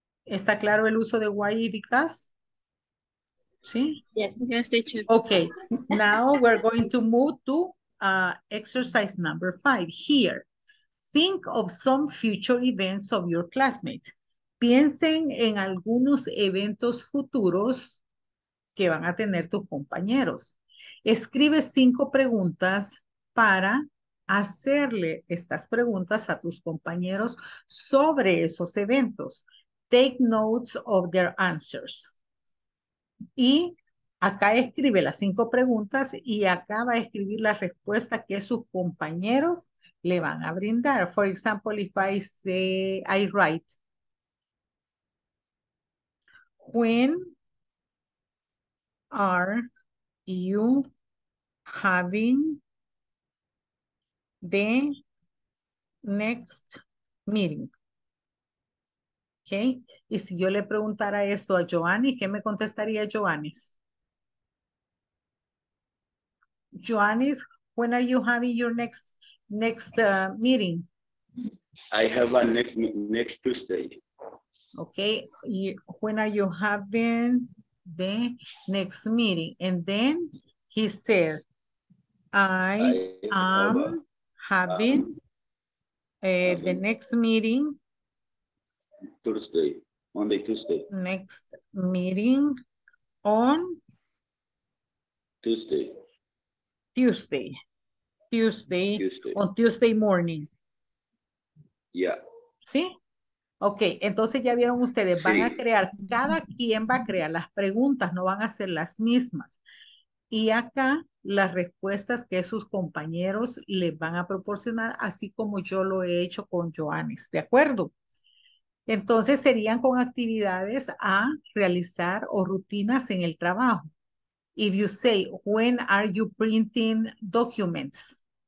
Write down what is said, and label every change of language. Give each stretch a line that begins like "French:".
Spanish: ¿Está claro el uso de why y because? ¿Sí?
English: Yes, teacher. Okay, now we're going to move to exercise number five. Here, Think of some future events of your classmates.
Spanish: Piensen en algunos eventos futuros que van a tener tus compañeros. Escribe 5 preguntas para hacerle estas preguntas a tus compañeros sobre esos eventos.
English: Take notes of their answers.
Spanish: Y acá escribe las 5 preguntas y acá va a escribir la respuesta que sus compañeros le van a brindar.
English: For example, if I say, I write, when are you having the next meeting? Okay.
Spanish: Y si yo le preguntara esto a Joanny, ¿qué me contestaría Joanny?
English: Joanny, when are you having your next meeting? I have a next Tuesday. Okay. When are you having the next meeting? And then he said, I am having the next meeting Thursday, Monday, Tuesday. Next meeting on Tuesday. Tuesday. On Tuesday morning. Yeah.
Spanish: ¿Sí? Ok, entonces ya vieron ustedes, van a crear, cada quien va a crear las preguntas, no van a ser las mismas. Y acá las respuestas que sus compañeros les van a proporcionar, así como yo lo he hecho con Joanes, ¿de acuerdo? Entonces serían con actividades a realizar o rutinas en el trabajo.
English: If you say, when are you printing documents?